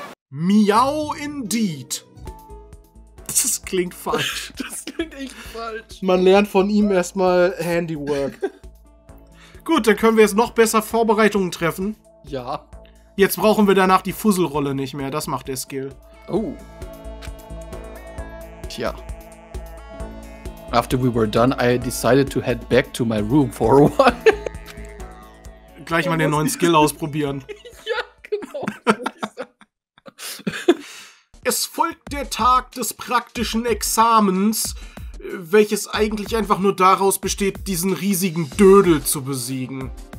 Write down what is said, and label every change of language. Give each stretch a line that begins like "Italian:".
English: Miau indeed.
German: Das klingt falsch. Das klingt echt falsch. Man lernt von ihm erstmal Handywork. Gut, dann können wir jetzt noch besser Vorbereitungen treffen. Ja. Jetzt brauchen wir danach die Fusselrolle nicht mehr, das macht der Skill. Oh. Tja.
English: After we were done, I decided to head back to my room for a while.
German: Gleich mal den neuen Skill ausprobieren. Ja, genau. Es folgt der Tag des praktischen Examens, welches eigentlich einfach nur daraus besteht, diesen riesigen Dödel zu besiegen.